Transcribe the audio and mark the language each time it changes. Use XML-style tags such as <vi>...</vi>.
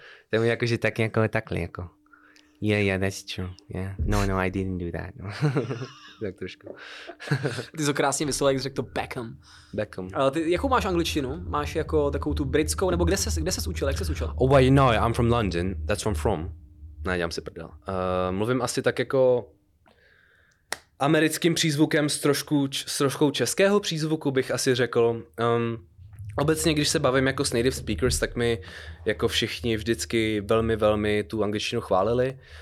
<cs>To mi jakože tak jako takhle, jako.</cs> <en>Yeah, that's true, yeah. No, I didn't do that.</en> <cs>Tak trošku. Ty jsi to krásně vyslovil, jak jsi řekl to Beckham. Beckham. Ty, jakou máš angličtinu? Máš jako takovou tu britskou, nebo kde ses učil, jak ses učil?</cs> <en>Oh, well, you know, I'm from London, that's where I'm from.</en> <cs>Ne, dělám si prdel. Mluvím asi tak jako americkým přízvukem s troškou českého přízvuku, bych asi řekl. Obecně, když se bavím jako s native speakers, tak mi jako všichni vždycky velmi, velmi tu angličtinu chválili.</cs>